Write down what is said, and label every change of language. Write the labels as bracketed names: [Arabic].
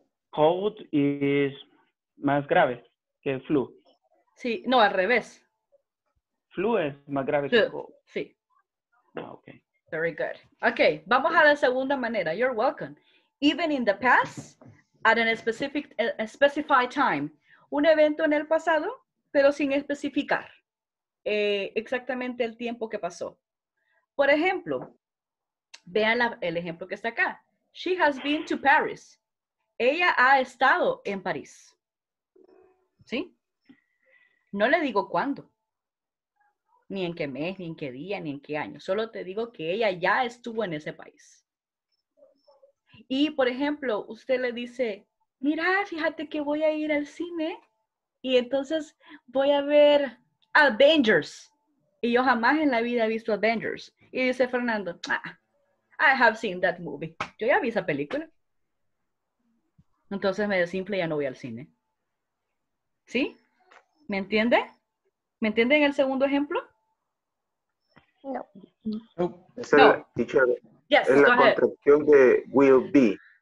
[English] Cold is [Spanish] más grave que flu. Sí, no, al revés. Flu es más grave flu. Que cold. Sí. [English] Okay. Very good. Okay, [Spanish] vamos a la segunda manera. [English] You're welcome. Even in the past, at a specific specified time. [Spanish] Un evento en el pasado, pero sin especificar exactamente el tiempo que pasó. Por ejemplo, vean el ejemplo que está acá. [English] She has been to Paris. [Spanish] Ella ha estado en París. ¿Sí? No le digo cuándo. Ni en qué mes, ni en qué día, ni en qué año. Solo te digo que ella ya estuvo en ese país. Y, por ejemplo, usted le dice, mira, fíjate que voy a ir al cine y entonces voy a ver Avengers. Y yo jamás en la vida he visto Avengers. Y dice [English] Fernando, I have seen that movie. [Spanish] Yo ya vi esa película. Entonces me desinfla y ya no voy al cine. ¿Sí? ¿Me entiende? ¿Me entiende en el segundo ejemplo? No. Esa es la contracción de will be.